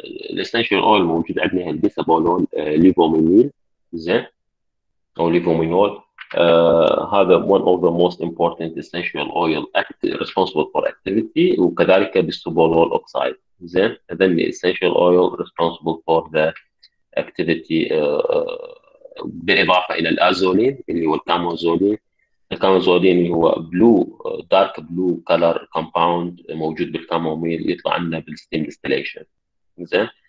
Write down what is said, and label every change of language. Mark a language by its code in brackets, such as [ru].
[ar] الاسينشال اويل موجود عندنا البيسابولول ليفومينيل زين او ليفومينول. هذا [en] one of the most important essential oil act responsible for activity، [ar] وكذلك بالسوبولول اوكسايد زين. هذين [en] essential oil responsible for the activity [ar] بالاضافه الى الازولين اللي هو الكاموزولين. الكاموزولين اللي هو بلو دارك بلو كلر كومباوند موجود بالكاموميل يطلع لنا بالستيم ديستليشن زين.